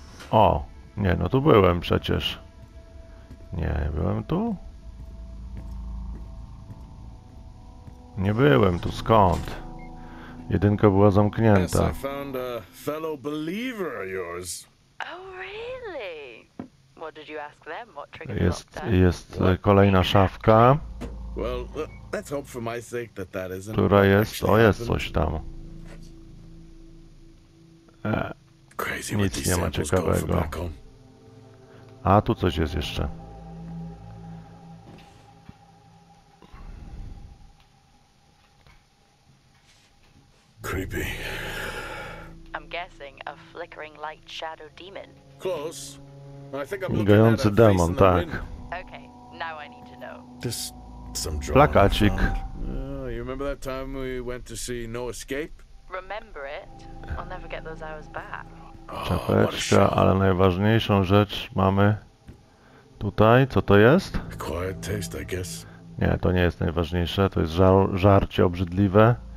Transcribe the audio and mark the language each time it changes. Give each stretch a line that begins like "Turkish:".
Polish: O, nie, no tu byłem przecież. Nie, byłem tu? Nie byłem tu, skąd? Jedynka była zamknięta.
English: Yes, I found a fellow believer of yours. Oh, really? What did you ask them? What triggered
Polish: jest kolejna szafka.
English: Well, let's hope for my sake that that isn't.
Polish: Która jest? O, jest coś tam. Nic nie ma ciekawego. A tu coś jest jeszcze.
English: Creepy. I'm guessing a flickering light shadow demon. Close. I think I'm
Polish: gający demon, tak.
English: Okay, now I need to know. This some
Polish: plakacik.
English: You remember that time we went to see No Escape? Remember it? I'll never get those hours back.
Polish: Czapeczka, ale najważniejszą rzecz mamy tutaj. Co to jest?
English: Quiet taste, I guess.
Polish: Nie, to nie jest najważniejsze. To jest żarcie obrzydliwe.